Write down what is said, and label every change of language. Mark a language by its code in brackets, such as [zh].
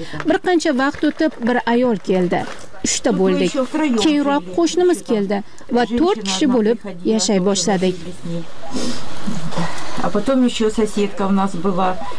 [uz] Bir qancha vaqt o'tib bir ayol keldi. 3 bo'ldik. Keyinroq qo'shnimiz keldi va 4 kishi bo'lib yashay boshladik. [ru] А потом еще соседка у нас была.